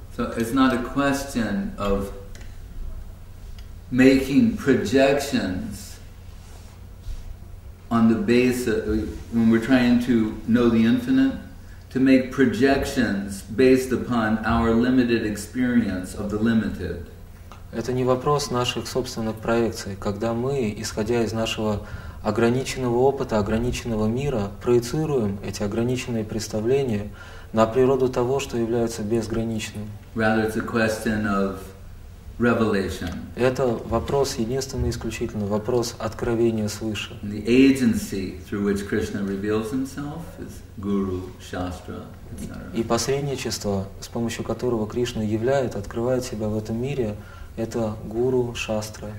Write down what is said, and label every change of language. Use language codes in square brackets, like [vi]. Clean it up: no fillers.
[en] So it's not a question of making projections on the basis when we're trying to know the infinite, to make projections based upon our limited experience of the limited. [ru] Это не вопрос наших собственных проекций, когда мы, исходя из нашего ограниченного опыта, ограниченного мира, проецируем эти ограниченные представления на природу того, что является безграничным. [en] Rather, it's a question of revelation. [ru] Это вопрос единственный исключительно вопрос откровения свыше. [en] The agency through which Krishna reveals himself is guru, shastra, etc. [ru] И посредничество, с помощью которого Кришна являет, открывает себя в этом мире, это гуру, шастра.